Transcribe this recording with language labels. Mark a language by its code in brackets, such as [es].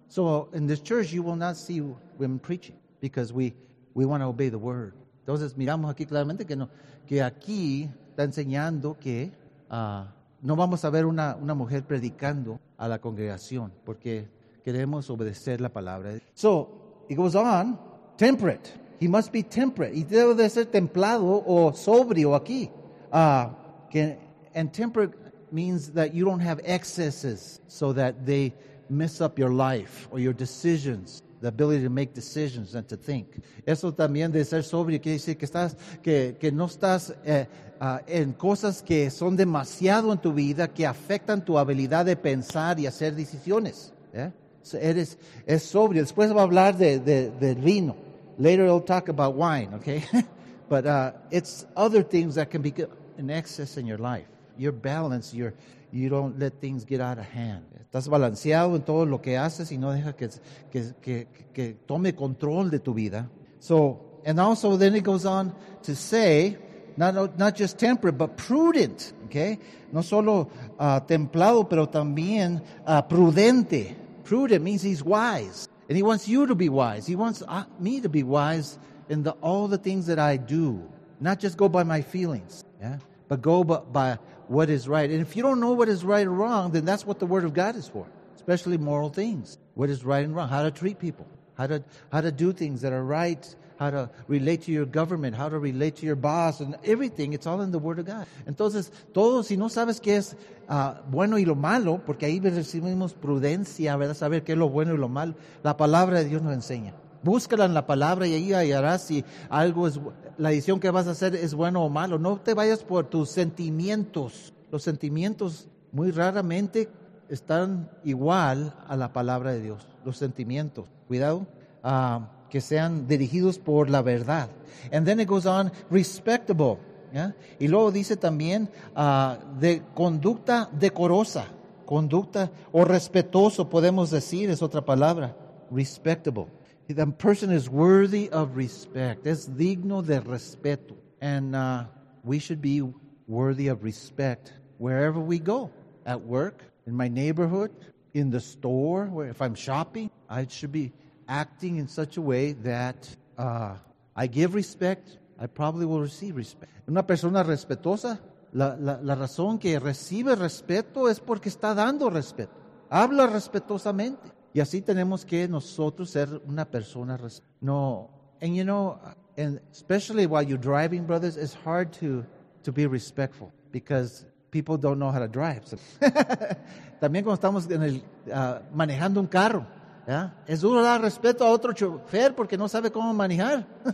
[en] So in this church, you will not see women preaching because we want to obey the word. [es] Entonces miramos aquí claramente que no, que aquí está enseñando que no vamos a ver una mujer predicando a la congregación porque queremos obedecer la palabra. [en] So it goes on, temperate. He must be temperate. [es] Y debe de ser templado o sobrio aquí. [en] And temperate means that you don't have excesses so that they mess up your life or your decisions, the ability to make decisions and to think. [es] Eso también de ser sobrio quiere decir que estás, que no estás en cosas que son demasiado en tu vida que afectan tu habilidad de pensar y hacer decisiones. ¿Eh? So eres, es sobrio. Después va a hablar de vino. [en] Later it'll talk about wine, okay? But it's other things that can be an excess in your life. You're balanced. You don't let things get out of hand. [es] Estás balanceado en todo lo que haces y no deja que tome control de tu vida. [en] So, and also then it goes on to say, not just temperate, but prudent, okay? [es] No solo templado, pero también prudente. [en] Prudent means he's wise. And he wants you to be wise. He wants me to be wise in all the things that I do. Not just go by my feelings, yeah? But go by what is right. And if you don't know what is right or wrong, then that's what the Word of God is for, especially moral things. What is right and wrong, how to treat people, how to do things that are right, how to relate to your government, how to relate to your boss, and everything. It's all in the Word of God. [es] Entonces, todo, si no sabes qué es bueno y lo malo, porque ahí recibimos prudencia, ¿verdad? Saber qué es lo bueno y lo malo. La palabra de Dios nos enseña. Búscala en la palabra y ahí hallarás si algo es, la decisión que vas a hacer es bueno o malo. No te vayas por tus sentimientos. Los sentimientos muy raramente están igual a la palabra de Dios. Los sentimientos. Cuidado. Que sean dirigidos por la verdad. [en] And then it goes on, respectable. Yeah? [es] Y luego dice también, de conducta decorosa. Conducta o respetuoso, podemos decir, es otra palabra. [en] Respectable. The person is worthy of respect. [es] Es digno de respeto. [en] And we should be worthy of respect wherever we go. At work, in my neighborhood, in the store, where if I'm shopping, I should be acting in such a way that I give respect, I probably will receive respect. [es] Una persona respetuosa, la razón que recibe respeto es porque está dando respeto. Habla respetuosamente. Y así tenemos que nosotros ser una persona respetuosa. [en] No, and you know, and especially while you're driving, brothers, it's hard to be respectful because people don't know how to drive. So. [es] También cuando estamos en el manejando un carro, ¿ya? Es duro dar respeto a otro chofer porque no sabe cómo manejar.